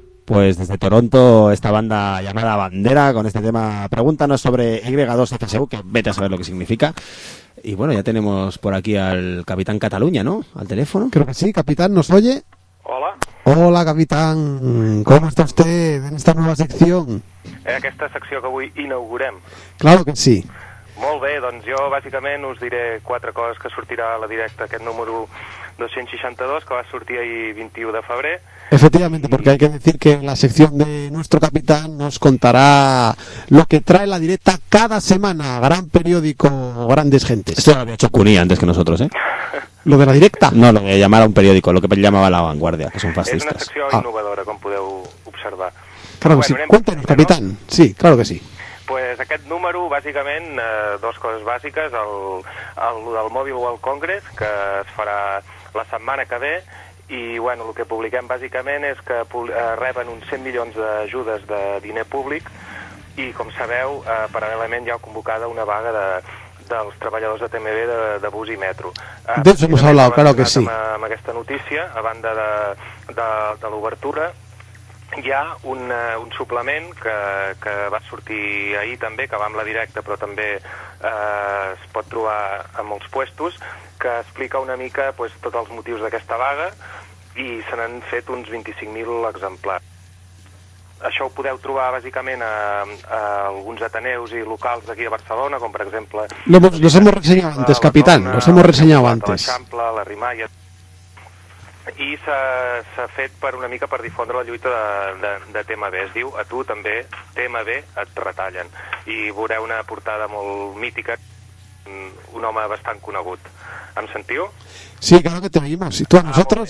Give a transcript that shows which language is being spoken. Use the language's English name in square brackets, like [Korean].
[Spanish] Pues desde Toronto, esta banda llamada Bandera, con este tema, pregúntanos sobre Y2FSU, que vete a saber lo que significa. Y bueno, ya tenemos por aquí al Capitán Cataluña, ¿no? Al teléfono. Creo que sí, Capitán, ¿nos oye? Hola. Hola, Capitán. ¿Cómo está usted en esta nueva sección? [Catalan] En aquesta secció que avui inaugurem. [Spanish] Claro que sí. [Catalan] Molt bé, doncs jo bàsicament us diré quatre coses que sortirà a la directa, aquest número 262, que va sortir ahir 21 de febrer. [Spanish] Efectivamente, porque hay que decir que en la sección de nuestro capitán nos contará lo que trae la directa cada semana, gran periódico, grandes gentes. Esto lo había hecho Cuní antes que nosotros, ¿eh? ¿Lo de la directa? No, lo de llamar a un periódico, lo que llamaba La Vanguardia, que son fascistas. Es una sección innovadora, como [Catalan] podeu observar. [Spanish] Claro que bueno, sí, cuéntenos, capitán. Sí, claro que sí. [Catalan] Pues aquest número, bàsicament, dos coses bàsiques, el Mobile World Congress, que es farà la setmana que ve, i bueno, el que publiquem bàsicament és que reben uns 100 milions d'ajudes de diner públic, i com sabeu, paral·lelament hi ha convocada una vaga dels treballadors de TMB de bus i metro. D'això hem parlat, clar que sí. Amb aquesta notícia, a banda de l'obertura, hi ha un suplement que va sortir ahir també, que va amb la directa, però també es pot trobar a molts puestos, que explica una mica pues, tots els motius d'aquesta vaga i se n'han fet uns 25.000 exemplars. Això ho podeu trobar bàsicament a alguns ateneus i locals d'aquí a Barcelona, com per exemple... [Spanish] Los hemos reseñado antes, capitán, los hemos reseñado antes. [Catalan] L'Eixample, la Rimaia... I s'ha fet per una mica per difondre la lluita de TMB. Es diu, a tu també, TMB, et retallen. I veureu una portada molt mítica, un home bastant conegut. Em sentiu? [Spanish] Sí, claro que te oímos. ¿Y tú a nosotros?